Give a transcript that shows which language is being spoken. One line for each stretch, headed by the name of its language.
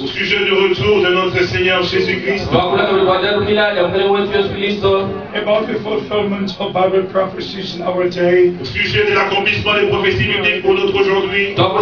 French: Au sujet du retour de notre Seigneur Jésus-Christ.
English: About the fulfillment of Bible prophecies in our day.
French: Au sujet de l'accomplissement des prophéties bibliques pour notre aujourd'hui.